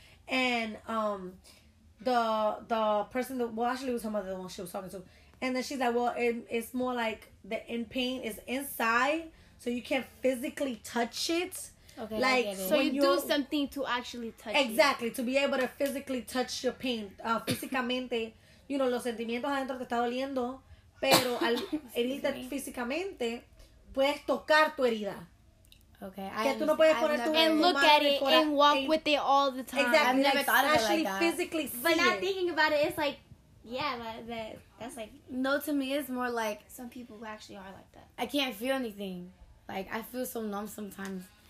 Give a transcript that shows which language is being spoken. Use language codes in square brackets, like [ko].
[en] And the person, actually it was her mother, the one she was talking to. And then she's like, well, it's more like the in pain is inside, so you can't physically touch it. Okay, like, I get it. So you do something to actually touch exactly, it. To be able to physically touch your pain. [es] Físicamente, [en] you know, [es] los sentimientos adentro te está doliendo. Pero al herirte físicamente, puedes tocar tu herida. [en] Okay. [es] Que tú no puedes poner tu herida. [en] And look at it and walk with it all the time. Exactly. I've never thought of it like that. Actually physically see it. But not thinking about it, it's like, yeah, that's like... No, to me, it's more like... Some people who actually are like that. I can't feel anything. Like, I feel so numb sometimes.